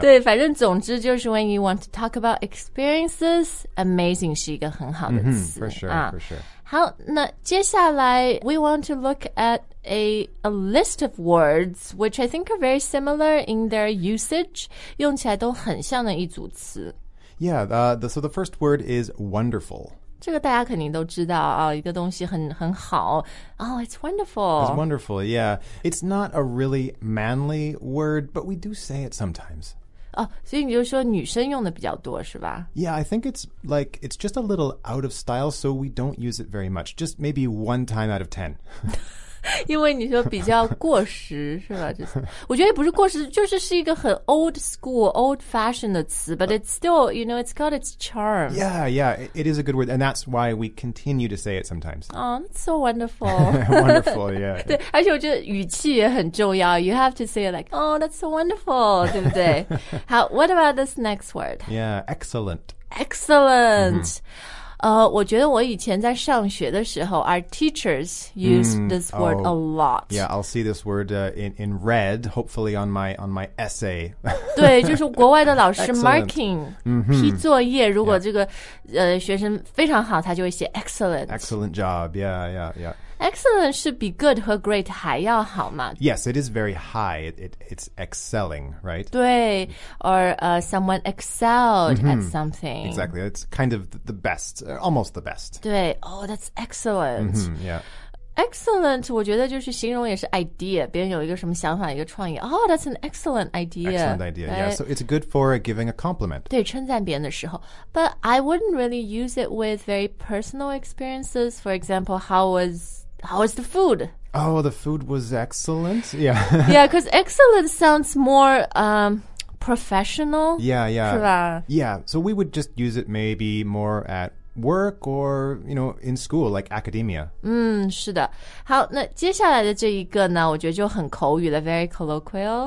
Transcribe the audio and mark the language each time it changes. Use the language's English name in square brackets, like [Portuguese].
[Chinese] 对，反正总之就是 [English] when you want to talk about experiences, [Chinese] amazing 是一个很好的词。 [English] Mm-hmm, for sure, for sure. [Chinese] 好，那接下来 [English] we want to look at a list of words, which I think are very similar in their usage, [Chinese] 用起来都很像的一组词。 [English] Yeah, so the first word is wonderful. [Chinese] 这个大家肯定都知道啊，一个东西很好。 [English] Oh, it's wonderful. It's wonderful, yeah. It's not a really manly word, but we do say it sometimes. [Chinese] Oh, 所以你就说女生用的比较多是吧？ [English] Yeah, I think it's like, it's just a little out of style, so we don't use it very much. Just maybe one time out of ten. [Chinese] 因为你说比较过时是吧、就是、我觉得也不是过时就是是一个很 [English] old school old fashioned [Chinese] 的词 [English] but it's still you know it's got its charm yeah it is a good word and that's why we continue to say it sometimes oh it's so wonderful wonderful yeah [Chinese] 对而且我觉得语气也很重要 [English] you have to say it like oh that's so wonderful [Chinese] 对不对好 [English] what about this next word yeah excellent、 mm-hmm. [Chinese] 我觉得我以前在上学的时候 [English] our teachers used this word a lot. Yeah, I'll see this word in red, hopefully on my essay. [Chinese] 对，就是国外的老师 marking 批作业，如果这个学生非常好，他就会写 excellent. [English] Excellent job, yeah. Excellent should be good 和 great [Chinese] 还要好嘛。 [English] Yes, it is very high. It's excelling, right? 对 or someone excelled、mm-hmm. at something. Exactly. It's kind of the best, almost the best. 对 Oh, that's excellent.、 Mm-hmm. Yeah. [Chinese] Excellent, 我觉得就是形容也是 idea, 别人有一个什么想法一个创意 [English] Oh, that's an excellent idea. Excellent idea,、right? yeah. So it's good for giving a compliment. [Chinese] 对,称赞别人的时候。 [English] But I wouldn't really use it with very personal experiences. For example, how was the food? Oh, the food was excellent, yeah. Yeah, because excellent sounds more... professional. Yeah, yeah. Yeah, so we would just use it maybe more at... work or, you know, in school, like academia. [Chinese] 嗯，是的。好，那接下来的这一个呢，我觉得就很口语了 ， [English] very colloquial.